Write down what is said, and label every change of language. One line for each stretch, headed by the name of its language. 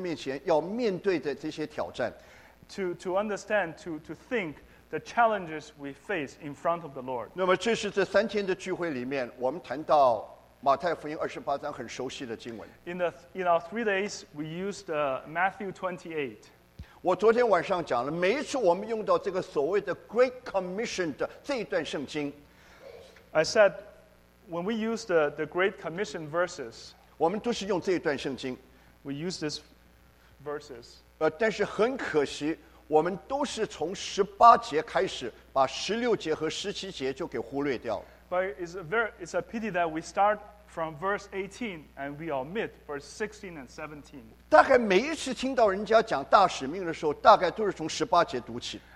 Chinese: 让我们真实想到我们在主的面前要面对的这些挑战,
English: to understand, to think the challenges we face in front of the Lord.
Chinese: 那么这是这三天的聚会里面, 我们谈到马太福音28章很熟悉的经文,
English: in our 3 days, we used Matthew 28.
Chinese: 我昨天晚上讲了, 每一次我们用到这个所谓的Great Commission的这一段圣经,
English: I said, when we use the Great Commission verses,
Chinese: 我们都是用这一段圣经,
English: we use this verses,
Chinese: 但是很可惜, 我们都是从18节开始, 把16节和17节就给忽略掉,
English: but it's a pity that we start from verse 18, and we omit verse 16 and 17.
Chinese: 大概每一次听到人家讲大使命的时候, 大概都是从18节读起。